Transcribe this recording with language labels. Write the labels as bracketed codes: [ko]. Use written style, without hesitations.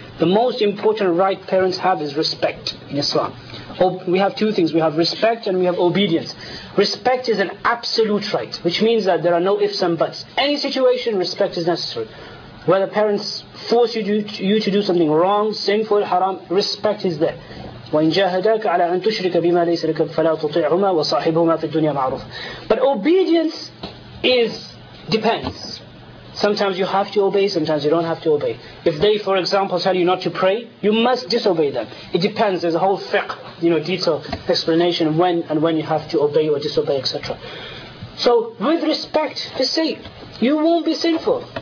[en] The most important right parents have is respect in Islam. We have two things, we have respect and we have obedience. Respect is an absolute right, which means that there are no ifs and buts. Any situation, respect is necessary. Whether parents force you to do something wrong, sinful, haram, respect is there. [ar] وَإِنْ جَاهَدَاكَ عَلَىٰ أَنْ تُشْرِكَ بِمَا لَيْسَ لَكَ فَلَا تُطِعْهُمَا وَصَاحِبُهُمَا فِي الدُّنْيَا مَعْرُوفٍ. [en] But obedience is depends. Sometimes you have to obey, sometimes you don't have to obey. If they, for example, tell you not to pray, you must disobey them. It depends, there's a whole fiqh, you know, detailed explanation of when and when you have to obey or disobey, etc. So, with respect, to say, you won't be sinful.